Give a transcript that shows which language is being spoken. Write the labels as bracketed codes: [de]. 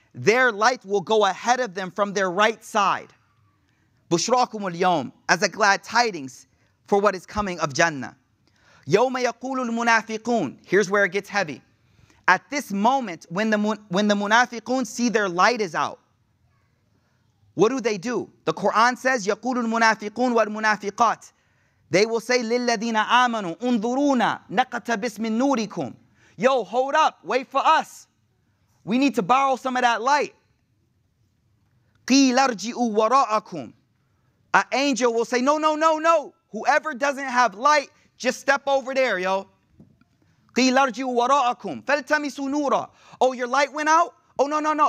[en] Their light will go ahead of them from their right side. [ar] بُشْرَاكُمُ الْيَوْمِ [en] As a glad tidings for what is coming of Jannah. [ar] يَوْمَ يَقُولُ الْمُنَافِقُونَ. [en] Here's where it gets heavy. At this moment, when the munafiqun see their light is out, what do? The Quran says, [ar] يَقُولُ الْمُنَافِقُونَ وَالْمُنَافِقَاتِ. [en] They will say, [ar] لِلَّذِينَ آمَنُوا أُنْظُرُونَا نَقَتَبِسْ مِنْ نُورِكُمْ. [en] Yo, hold up, wait for us. We need to borrow some of that light. [ar] قِيلَ ارْجِئُوا وَرَاءَكُمْ. [en] An angel will say, no. Whoever doesn't have light, just step over there, yo. [ar] قِيلَ ارْجِئُوا وَرَاءَكُمْ فَلْتَمِسُوا نُورًا. [en] Oh, your light went out? Oh, no.